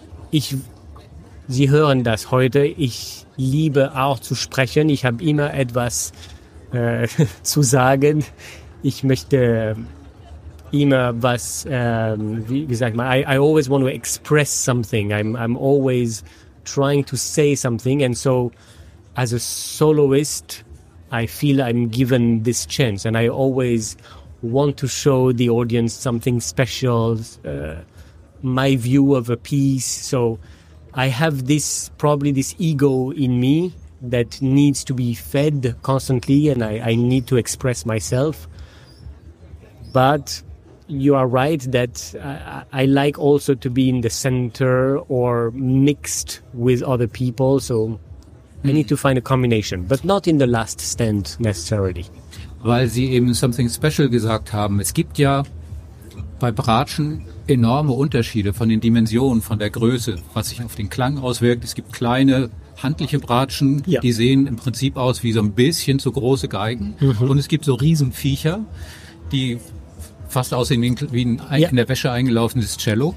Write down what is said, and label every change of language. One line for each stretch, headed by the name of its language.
German: Sie hören das heute. Ich liebe auch zu sprechen. Ich habe immer etwas zu sagen. Ich möchte immer was, wie gesagt,
English: I always want to express something. I'm always trying to say something. And so, as a soloist, I feel I'm given this chance. And I always want to show the audience something special, my view of a piece. So I have this, probably this ego in me that needs to be fed constantly, and I need to express myself. But you are right that I like also to be in the center or mixed with other people. So I need to find a combination, but not in the last stand necessarily.
German: Weil Sie eben
English: something special
German: gesagt haben. Es gibt ja bei Bratschen enorme Unterschiede von den Dimensionen, von der Größe, was sich auf den Klang auswirkt. Es gibt kleine, handliche Bratschen, ja, die sehen im Prinzip aus wie so ein bisschen zu große Geigen. Mhm. Und es gibt so Riesenviecher, die fast aussehen wie in der Wäsche eingelaufenes Cello.